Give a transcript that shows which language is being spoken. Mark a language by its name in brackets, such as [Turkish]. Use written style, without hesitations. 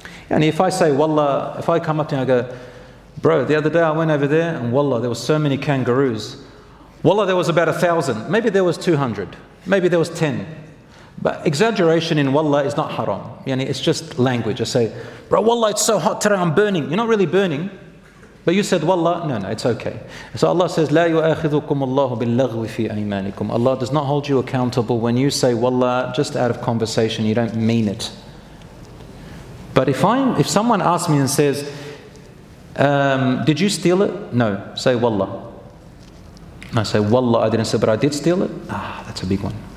[English] And if I say wallah, if I come up to you and I go, bro, the other day I went over there and wallah, there were so many kangaroos. Wallah, there was about 1,000. Maybe there was 200. Maybe there was 10. But exaggeration in wallah is not haram. Yani it's just language. I say, bro, wallah, it's so hot today, I'm burning. You're not really burning. But you said wallah, no, it's okay. So Allah says, [Arabic] لا يؤاخذكم الله باللغو في أيمانكم. [English] Allah does not hold you accountable when you say wallah just out of conversation, you don't mean it. But if someone asks me and says, did you steal it? No, say wallah. I say, wallah, I didn't say, but I did steal it. Ah, that's a big one.